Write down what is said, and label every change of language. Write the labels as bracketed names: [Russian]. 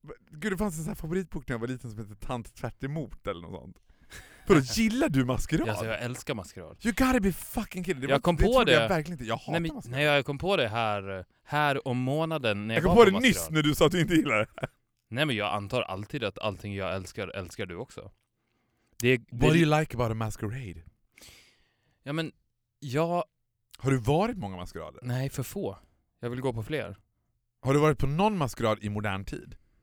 [Swedish] Gud, det fanns en sån här favoritbok när jag var liten som heter Tant tvärt emot eller något sånt. För då gillar du maskerad? Alltså, jag älskar maskerad. [English] You gotta be fucking kidding. [Swedish] Det jag kom på det. Jag verkligen inte. Jag hatar maskerad. Nej, jag kom på det här om månaden. När jag kom på det nyss när du sa att du inte gillar det. Nej, men jag antar alltid att allting jag älskar, älskar du också. [English] What do you like about a masquerade? [Swedish] Ja, men jag... Har du varit många maskerader? Nej, för få. Jag vill gå på fler. Har du varit på någon maskerad i modern tid?